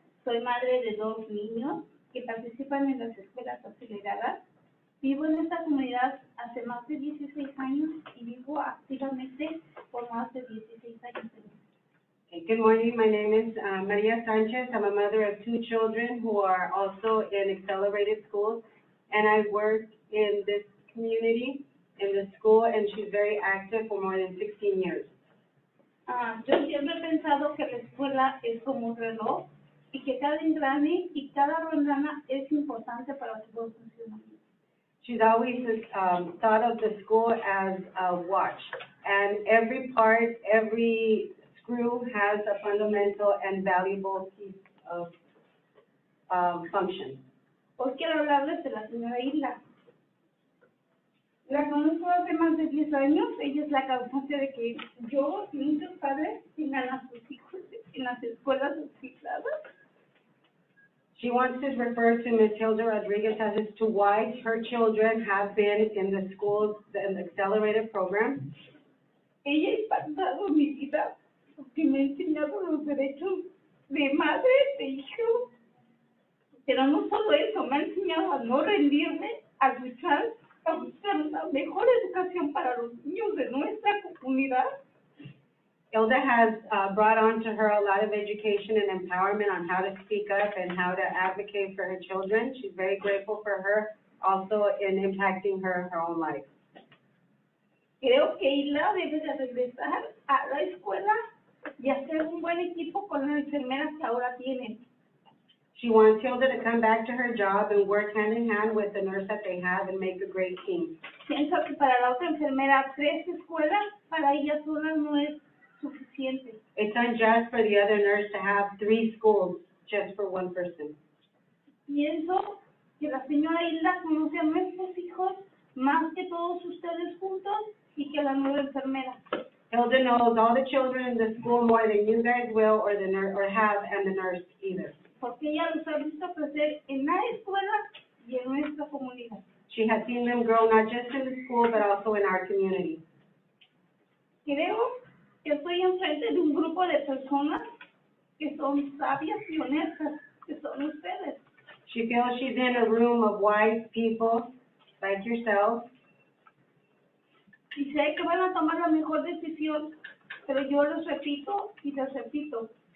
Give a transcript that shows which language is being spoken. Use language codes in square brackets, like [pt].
[es] Soy madre de dos niños que participan en las escuelas acelerarias. Vivo en esta comunidad hace más de 16 años y vivo activamente por más de 16 años. [en] Okay. Good morning. My name is María Sánchez. I'm a mother of two children who are also in accelerated schools, and I work in this community, in the school, and she's very active for more than 16 years. [es] Yo siempre he pensado que la escuela es como un reloj y que cada engrane y cada rondana es importante para su buen funcionamiento. [en] She's always thought of the school as a watch, and every part, every screw has a fundamental and valuable piece of function. [es] Hoy quiero hablarles de la señora Hilda. La conozco hace más de 10 años. Ella es la causante de que yo y muchos padres tengan a sus hijos en las escuelas cicladas. [en] She wants to refer to Ms. Hilda Rodriguez as it's to why her children have been in the schools, in the accelerated program. [es] Ella ha impactado mi vida porque me ha enseñado los derechos de madre, de hijo. Pero no solo eso, me ha enseñado a no rendirme, a luchar, a buscar una mejor educación para los niños de nuestra comunidad. [en] Hilda has brought on to her a lot of education and empowerment on how to speak up and how to advocate for her children. She's very grateful for her, also in impacting her own life. [es] Creo que Hilda debe de regresar a la escuela y hacer un buen equipo con las enfermeras que ahora tiene. [en] She wants Hilda to come back to her job and work hand in hand with the nurse that they have and make a great team. [es] Siento que para la otra enfermera tres escuelas para ella sola no es suficiente. [en] It's unjust for the other nurse to have three schools just for one person. [es] Pienso que la señora Hilda conoce a nuestros hijos más que todos ustedes juntos y que la nueva enfermera. [en] Hilda knows all the children in the school more than you guys will or the nurse or have and the nurse either. [es] Porque ella los ha visto crecer en la escuela y en nuestra comunidad. [en] She has seen them grow not just in the school, but also in our community. [es] Creo que estoy enfrente de un grupo de personas que son sabias y honestas, que son ustedes. [en] She feels she's in a room of wise people, like yourself. [es] Y sé que van a tomar la mejor decisión, pero yo les repito y les repito.